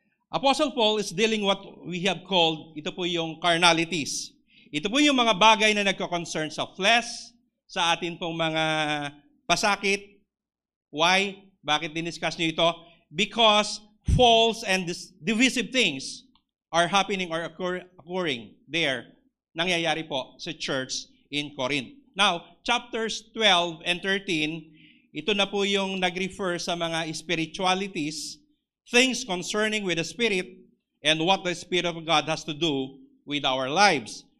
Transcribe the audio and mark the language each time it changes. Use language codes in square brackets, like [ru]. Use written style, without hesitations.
[en] Apostle Paul is dealing what we have called, [tl] ito po yung [en] carnalities. [tl] Ito po yung mga bagay na nagko-concern sa flesh, sa atin pong mga pasakit. [en] Why? [tl] Bakit diniscuss niyo ito? [en] Because false and divisive things are happening or occurring there, [tl] nangyayari po sa [en] church in Corinth. Now, chapters 12 and 13, [tl] ito na po yung nag-refer sa mga [en] spiritualities, things concerning with the Spirit and what the Spirit of God has to do with our lives.